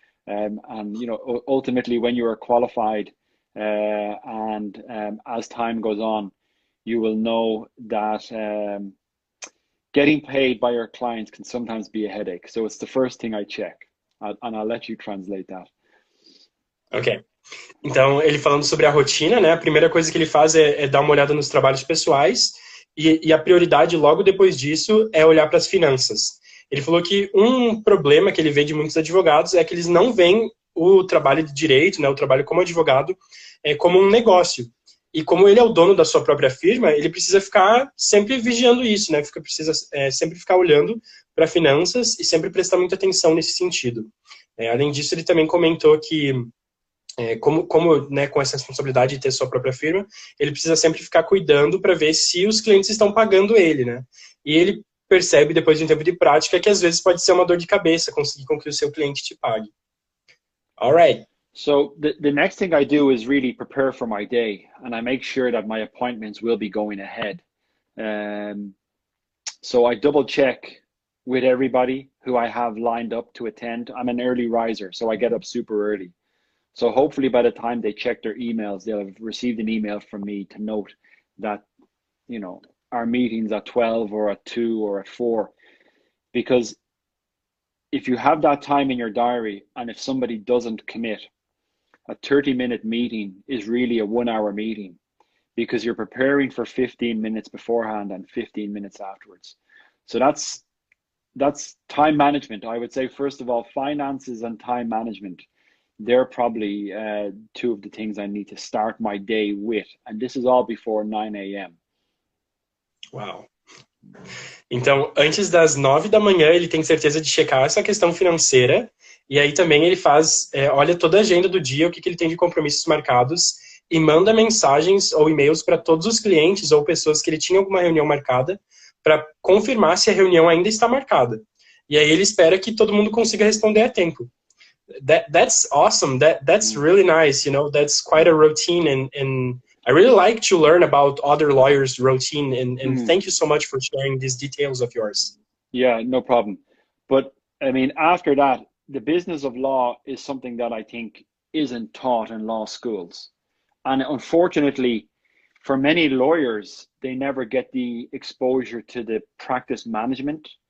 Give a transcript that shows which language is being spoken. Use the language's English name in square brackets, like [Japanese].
[English] And you know, ultimately, when you are qualified, and as time goes on, you will know that getting paid by your clients can sometimes be a headache. So it's the first thing I check, and I'll let you translate that. Okay. [Portuguese] Então, ele falando sobre a rotina, né? A primeira coisa que ele faz é dar uma olhada nos trabalhos pessoais. E a prioridade logo depois disso é olhar para as finanças. Ele falou que um problema que ele vê de muitos advogados é que eles não veem o trabalho de direito, né, o trabalho como advogado, como um negócio. E como ele é o dono da sua própria firma, ele precisa ficar sempre vigiando isso, né, precisa sempre ficar olhando para finanças e sempre prestar muita atenção nesse sentido. Além disso, ele também comentou que como né, com essa responsabilidade de ter sua própria firma, ele precisa sempre ficar cuidando para ver se os clientes estão pagando ele, né? E ele percebe, depois de um tempo de prática, que às vezes pode ser uma dor de cabeça conseguir com que o seu cliente te pague. [English] All right. So, the next thing I do is really prepare for my day, and I make sure that my appointments will be going ahead. So, I double check with everybody who I have lined up to attend. I'm an early riser, so I get up super early. So hopefully by the time they check their emails, they'll have received an email from me to note that, you know, our meeting's at 12 or at 2 or at 4. Because if you have that time in your diary, and if somebody doesn't commit, a 30-minute meeting is really a one-hour meeting, because you're preparing for 15 minutes beforehand and 15 minutes afterwards. So that's time management. I would say, first of all, finances and time management, they're probably two of the things I need to start my day with. And this is all before 9 a.m. Wow. [Portuguese] Então, antes das 9 da manhã, ele tem certeza de checar essa questão financeira. E aí também ele faz, olha toda a agenda do dia, o que, que ele tem de compromissos marcados, e manda mensagens ou e-mails para todos os clientes ou pessoas que ele tinha alguma reunião marcada para confirmar se a reunião ainda está marcada. E aí ele espera que todo mundo consiga responder a tempo. [English] That's awesome. That's really nice. You know, that's quite a routine, and I really like to learn about other lawyers' routine. And thank you so much for sharing these details of yours. Yeah, no problem. But I mean, after that, the business of law is something that I think isn't taught in law schools, and unfortunately, for many lawyers, they never get the exposure to the practice management.